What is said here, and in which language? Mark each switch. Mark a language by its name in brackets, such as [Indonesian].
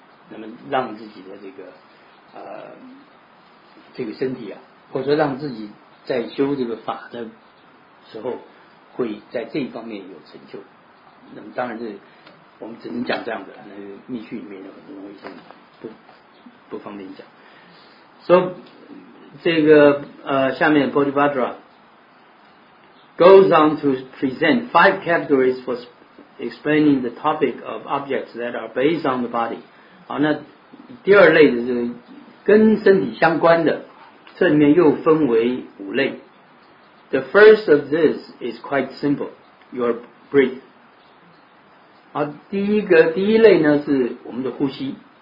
[Chinese] 那么让自己的这个身体啊，或者说让自己在修这个法的时候会在这一方面有成就。那么当然是我们只能讲这样的，那个密训里面的很多东西不方便讲。 [English] So, [Chinese] 这个下面 [English] Bodhibhadra goes on to present five categories for explaining the topic of objects that are based on the body. [Chinese] 好，那第二类的是跟身体相关的，这里面又分为五类。 [English] The first of this is quite simple, your breath. [Chinese] 好，第一类呢是我们的呼吸。